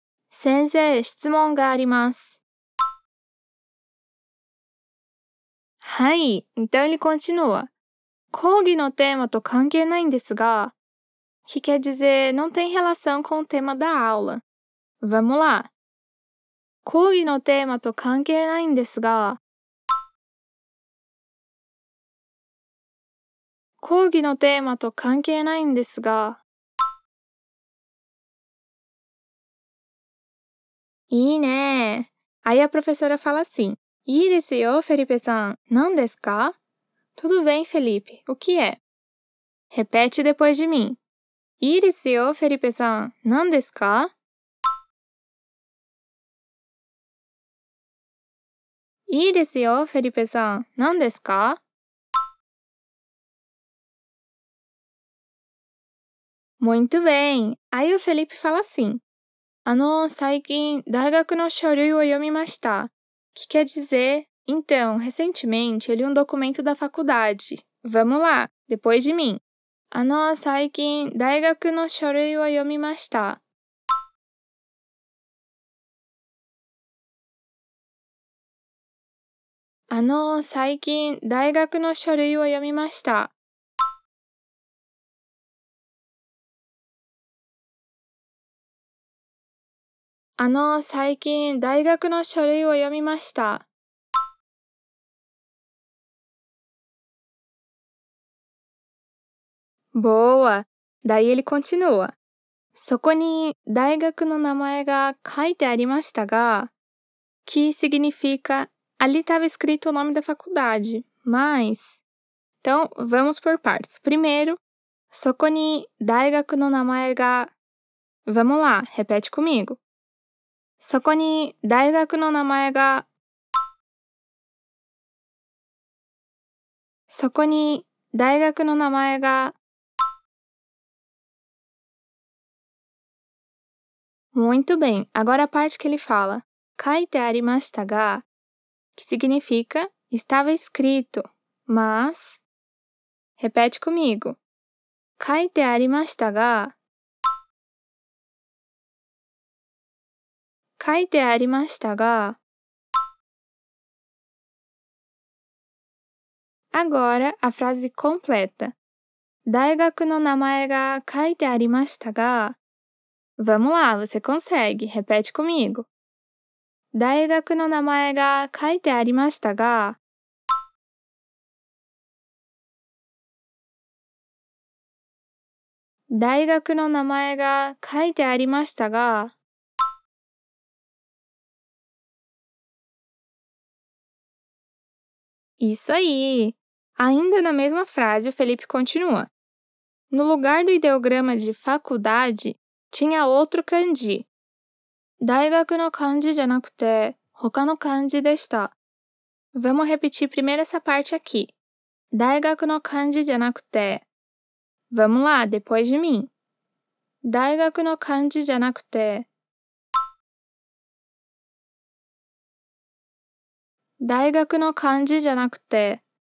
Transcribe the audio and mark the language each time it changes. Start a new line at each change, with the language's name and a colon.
Japanese: Sensei, shitsumon ga arimasu.
Portuguese: Hai, então ele continua.
Japanese: Kōgi no tema to kankei nai desu ga,
Portuguese: que quer dizer, não tem relação com o tema da aula. Vamos lá.
Japanese: 講義のテーマと関係ないんですが、講義のテーマと関係ないんですが、いいね。
Portuguese: Aí a professora fala assim,
Japanese: いいですよ、フェリペさん。何ですか？
Portuguese: Tudo bem, Felipe. O que é? Repete depois de mim.
Japanese: いいですよ、フェリペさん。何ですか？いいですよ、フェリペさん。何ですか？
Portuguese: Muito bem! Aí o Felipe fala assim.
Japanese: 最近、大学の書類を読みました。
Portuguese: Que quer dizer, então, recentemente, eu li um documento da faculdade. Vamos lá, depois de mim.
Japanese: 最近、大学の書類を読みました。最近、大学の書類を読みました。最近、大学の書類を読みました。
Portuguese: Boa! Daí ele continua.
Japanese: そこに大学の名前が書いてありましたが、
Portuguese: que significa... Ali estava escrito o nome da faculdade, mas... Então, vamos por partes. Primeiro,
Japanese: soko ni daigaku no namae ga...
Portuguese: Vamos lá, repete comigo.
Japanese: Soko ni daigaku no namae ga... Soko ni daigaku no namae ga...
Portuguese: Muito bem, agora a parte que ele fala.
Japanese: Kaite arimashita ga...
Portuguese: Que significa, estava escrito, mas... Repete comigo.
Japanese: 書いてありましたが、書いてありましたが、
Portuguese: Agora a frase completa.
Japanese: 大学の名前が書いてありましたが、
Portuguese: Vamos lá, você consegue. Repete comigo.
Japanese: 大学の名前が書いてありましたが、大学の名前が書いてありましたが、
Portuguese: Isso aí! Ainda na mesma frase, o Felipe continua. No lugar do ideograma de faculdade, tinha outro kanji.
Japanese: 大学の漢字じゃなくて、他の漢字でした。
Portuguese: Vamos repetir primeiro essa parte aqui.
Japanese: 大学の漢字じゃなくて。
Portuguese: Vamos lá, depois de mim.
Japanese: 大学の漢字じゃなくて。大学の漢字じゃなくて。